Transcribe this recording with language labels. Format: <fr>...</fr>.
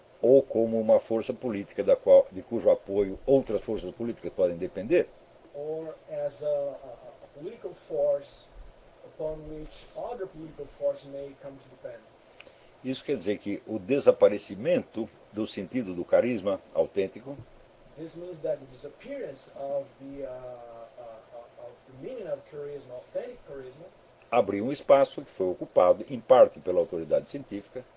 <pt>Ou como uma força política da qual, de cujo apoio outras forças políticas podem depender.</pt> <en>Or as a political force upon which other political forces may come to depend.</en> <pt>Isso quer dizer que o desaparecimento do sentido do carisma autêntico.</pt> <en>This means that the disappearance of the of the meaning of charisma, authentic charisma.</en> <pt>Abriu um espaço que foi ocupado, em parte, pela autoridade científica.</pt>